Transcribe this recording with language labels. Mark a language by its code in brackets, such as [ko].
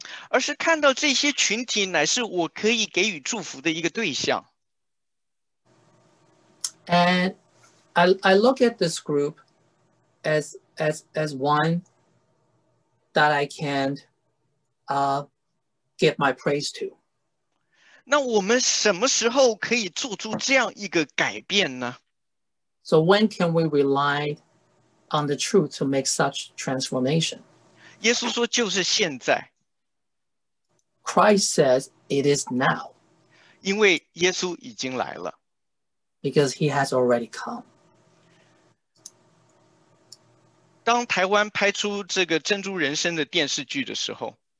[zh] 而是看到这些群体乃是我可以给予祝福的一个对象。 [en] And I look at this group as one that I can give my praise to. [zh] 那我们什么时候可以做出这样一个改变呢？ [en] So when can we rely on the truth to make such transformation? [zh] 耶稣说就是现在。 [en] Christ says it is now. [zh] 因为耶稣已经来了。 [en] Because he has already come. [zh] 当台湾拍出这个珍珠人生的电视剧的时候，